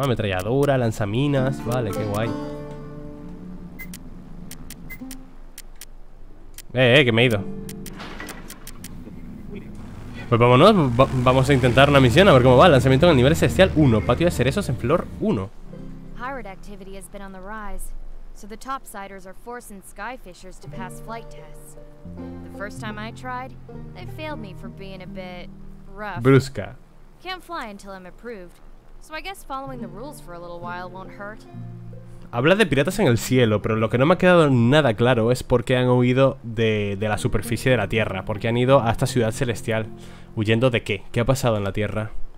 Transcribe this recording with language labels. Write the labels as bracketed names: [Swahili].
[Spanish] Ametralladura, lanzaminas, vale, qué guay. Que me he ido. Pues vámonos, vamos a intentar una misión a ver cómo va. Lanzamiento en el nivel celestial 1, patio de cerezos en flor 1. [English] Pirate activity has been on the rise, so the topsiders are forcing skyfishers to pass flight tests. The first time I tried, they failed me for being a bit rough. Brusca. Can't fly until I'm approved, so I guess following the rules for a little while won't hurt. [Spanish] Habla de piratas en el cielo, pero lo que no me ha quedado nada claro es por qué han huido de la superficie de la Tierra. ¿Por qué han ido a esta ciudad celestial? ¿Huyendo de qué? ¿Qué ha pasado en la Tierra?